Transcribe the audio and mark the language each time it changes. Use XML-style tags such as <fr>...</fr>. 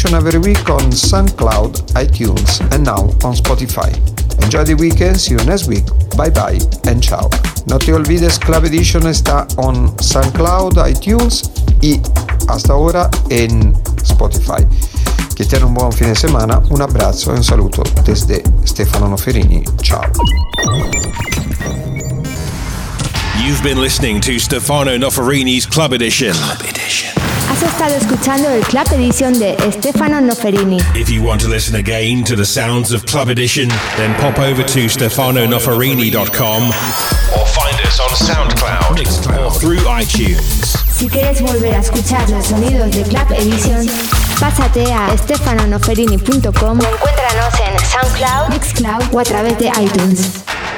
<en>Every week on SoundCloud, iTunes, and now on Spotify. Enjoy the weekend, see you next week. Bye bye and ciao.</en> <es>No te olvides, Club Edition está on SoundCloud, iTunes y hasta ahora en Spotify. Que tengan un buen fin de semana. Un abrazo y un saludo desde Stefano Noferini.</es> <it>Ciao.</it> <en>You've been listening to Stefano Noferini's Club Edition. Club Edition.</en> <es>Has estado escuchando el Club Edition de Stefano Noferini.</es> <en>If you want to listen again to the sounds of Club Edition, then pop over to stefanonoferini.com or find us on on SoundCloud, Mixcloud, or through iTunes.</en> <es>Si quieres volver a escuchar los sonidos de Club Edition, pásate a stefanonoferini.com o encuéntranos en SoundCloud, Mixcloud o a través de iTunes.</es>